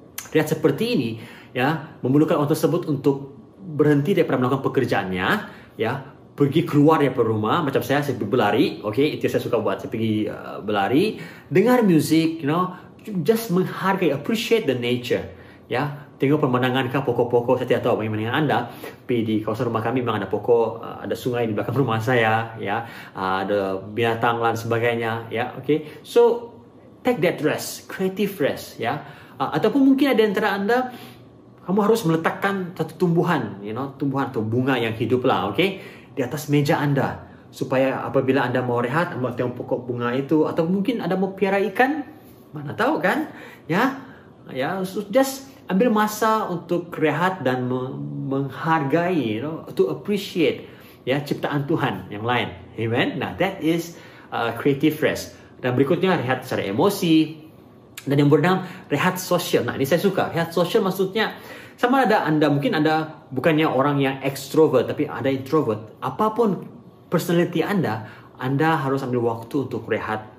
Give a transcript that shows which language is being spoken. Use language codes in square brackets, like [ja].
[ms] Rehat seperti ini, ya, memerlukan orang tersebut untuk berhenti daripada melakukan pekerjaannya, ya, pergi keluar dari rumah, macam saya pergi berlari, okay, itu yang saya suka buat, saya pergi berlari, dengar music, you know, just menghargai, [en] appreciate the nature, [ms] ya. Tengok pemandangan kah, pokok-pokok, saya tidak tahu bagaimana dengan Anda. Tapi di kawasan rumah kami memang ada pokok, ada sungai di belakang rumah saya, ya. Ada binatang dan sebagainya, ya, okay. [en] So, take that rest, creative rest, ya. [ms] Ataupun mungkin ada antara Anda, kamu harus meletakkan satu tumbuhan, you know, tumbuhan atau bunga yang hidup lah, okay. Di atas meja Anda, supaya apabila Anda mau rehat, mau tengok pokok bunga itu, atau mungkin Anda mau piara ikan, mana tahu kan, ya. Ya, so just ambil masa untuk rehat dan menghargai, [en] you know, to appreciate, [ms] ya, ciptaan Tuhan yang lain. Amen. [en] Nah, that is creative rest. [ms] Dan berikutnya, rehat secara emosi. Dan yang berenam, rehat sosial. Nah, ini saya suka. Rehat sosial maksudnya, sama ada Anda, mungkin Anda bukannya orang yang extrovert, tapi ada introvert. Apapun personality Anda harus ambil waktu untuk rehat